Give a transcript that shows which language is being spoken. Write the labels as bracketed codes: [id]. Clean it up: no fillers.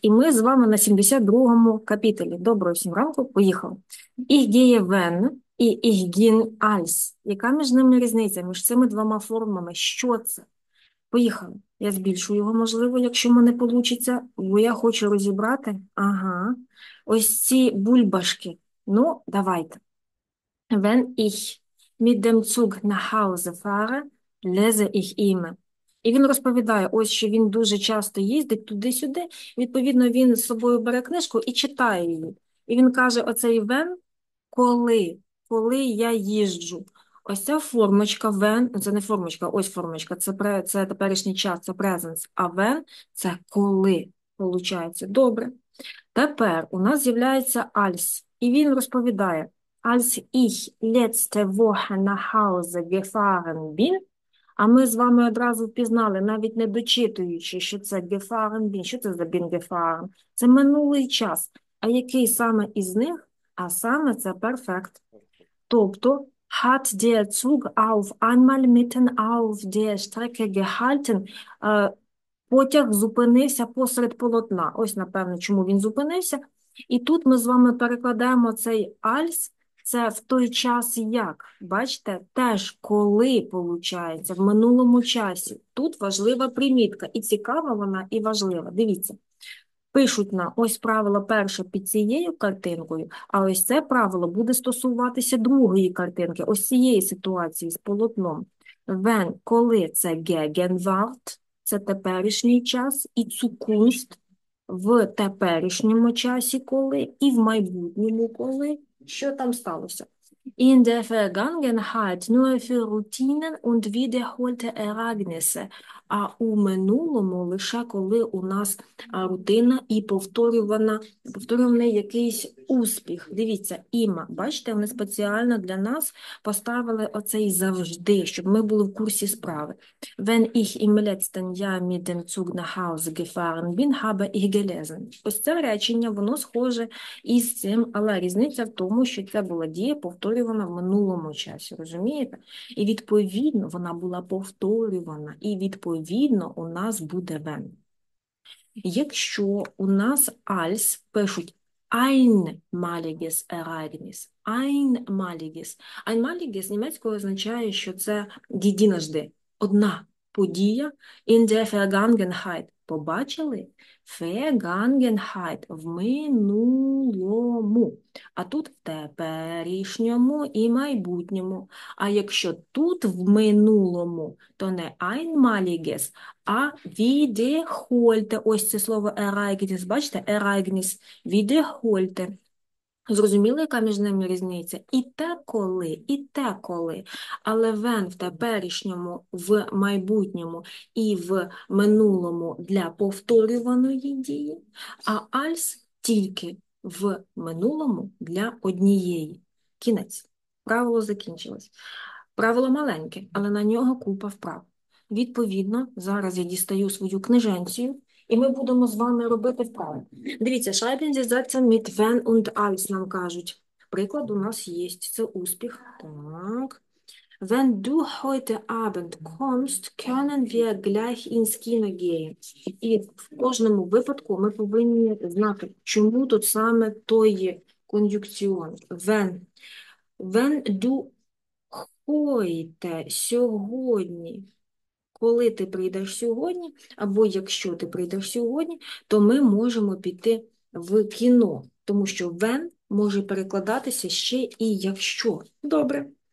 [uk] І ми з вами на 72-му капітулі. Доброго всім ранку. Поїхали. Іх діє вен і іх гін альс. Яка між ними різниця, між цими двома формами? Що це? Поїхали. Я збільшу його, можливо, якщо в мене получиться, бо я хочу розібрати. Ага. Ось ці бульбашки. Ну, давайте. [de] Wenn ich mit dem Zug nach Hause fahre, lese ich ihm. [uk] І він розповідає, ось що він дуже часто їздить туди-сюди. Відповідно, він з собою бере книжку і читає її. І він каже: оцей wenn, коли я їжджу. Ось ця формочка wenn, це не формочка, ось формочка, це теперішній час, це presence, а wenn – це коли, виходить. Добре. Тепер у нас з'являється als. І він розповідає, [de] als ich letzte Woche nach Hause gefahren bin, [uk] а ми з вами одразу впізнали, навіть не дочитуючи, що це gefahren bin, що це за bin gefahren, це минулий час. А який саме із них? А саме це перфект. [de] Тобто, hat der Zug auf einmal mitten auf der Strecke gehalten? [uk] Потяг зупинився посеред полотна. Ось, напевно, чому він зупинився. І тут ми з вами перекладаємо цей als, це в той час як. Бачите, теж коли, получається, в минулому часі. Тут важлива примітка. І цікава вона, і важлива. Дивіться. Пишуть на ось правило перше під цією картинкою, а ось це правило буде стосуватися другої картинки, ось цієї ситуації з полотном. Wenn, коли це Gegenwart, це теперішній час, і Zukunft в теперішньому часі коли, і в майбутньому коли, що там сталося? [de] In der Vergangenheit nur für Routinen und wiederholte Ereignisse. [uk] А у минулому лише коли у нас рутина і повторюваний якийсь успіх. Дивіться, іма. Бачите, вони спеціально для нас поставили оцей завжди, щоб ми були в курсі справи. [de] Wenn ich im letzten Jahr mit dem Zug nach Hause gefahren bin, habe ich gelesen. [uk] Ось це речення, воно схоже із цим, але різниця в тому, що це була дія, повторювана в минулому часі, розумієте? І відповідно, вона була повторювана, і відповідно, у нас буде wenn. Якщо у нас als пишуть [de] einmaliges Ereignis, einmaliges. [uk] Einmaliges німецькою означає, що це єдинажды, одна подія. [de] In der Vergangenheit, [uk] побачили? Vergangenheit, в минулому. А тут в теперішньому і майбутньому. А якщо тут в минулому, то не einmaliges, а wiederholte. Ось це слово ereignis. Бачите? [de] Ereignis. Wiederholte. [uk] Зрозуміли, яка між ними різниця? І те коли, але when в теперішньому, в майбутньому і в минулому для повторюваної дії, а als тільки в минулому для однієї. Кінець. Правило закінчилось. Правило маленьке, але на нього купа вправ. Відповідно, зараз я дістаю свою книженцію. І ми будемо з вами робити вправи. Дивіться, [de] schreiben Sie Sätze mit wenn und als, [uk] нам кажуть. Приклад у нас є, це успіх. Так. [de] Wenn du heute Abend kommst, können wir gleich ins Kino gehen. [uk] І в кожному випадку ми повинні знати, чому тут саме той кон'юнкціон. [de] Wenn. Wenn du heute, [uk] сьогодні, коли ти прийдеш сьогодні, або якщо ти прийдеш сьогодні, то ми можемо піти в кіно, тому що when може перекладатися ще і якщо. Добре.